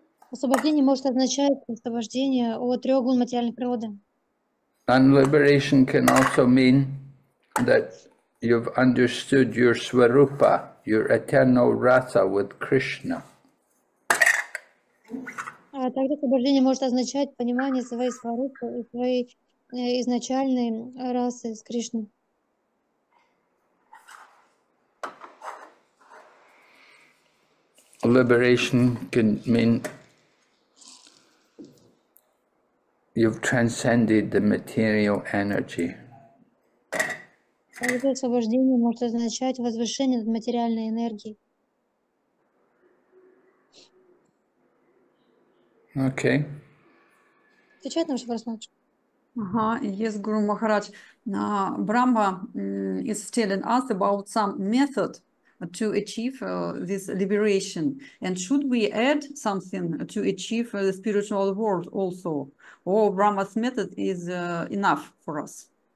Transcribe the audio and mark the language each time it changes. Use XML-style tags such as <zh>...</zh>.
<ru>Освобождение может означать освобождение от трех глав материальной природы.</ru> <en>And liberation can also mean that you've understood your swarupa, your eternal rasa with Krishna.</en> <ru>А также освобождение может означать понимание своей сварупы и своей изначальной расы с Кришной.</ru> <en>Liberation can mean you've transcended the material energy.</en> <ru>Также освобождение может означать возвышение над материальной энергией.</ru> <en>Okay.</en> <ru>Отвечает на ваш вопрос, мальчик?</ru> <en>Ага, yes, Guru Maharaj. Brahma is telling us about some method to achieve this liberation. And should we add something to achieve the spiritual world also? Or Brahma's method is enough for us?</en>